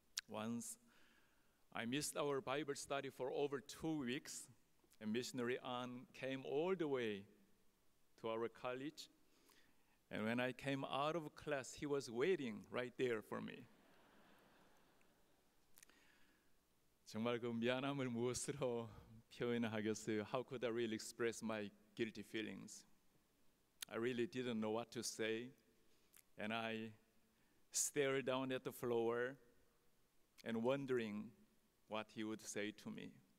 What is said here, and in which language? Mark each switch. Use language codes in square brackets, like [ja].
[en] Once, I missed our Bible study for over 2 weeks, and Missionary An came all the way to our college. And when I came out of class, he was waiting right there for me. [ko] 정말 그 미안함을 무엇으로 표현하겠어요? [en] How could I really express my guilty feelings? I really didn't know what to say, and I stared down at the floor and wondering what he would say to me.